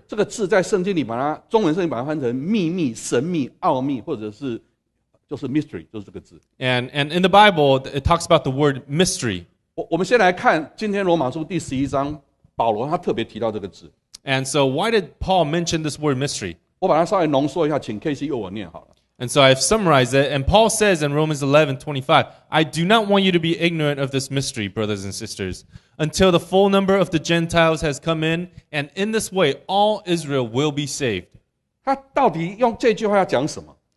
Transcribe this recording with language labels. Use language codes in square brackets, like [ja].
[zh] 这个字在圣经里把它, 中文圣经把它翻成秘密, 神秘, 奥秘, 或者是, 就是 mystery, 就是这个字. [en] And in the Bible, it talks about the word mystery. [zh] 我们先来看今天罗马书第11章。保罗他特别提到这个字。 [en] And so why did Paul mention this word mystery? [zh] 我把它稍微浓缩一下, 请KC为我念好了。 [en] And so I've summarized it, and Paul says in Romans 11:25, I do not want you to be ignorant of this mystery, brothers and sisters, until the full number of the Gentiles has come in, and in this way all Israel will be saved. [zh] 他到底用这句话要讲什么?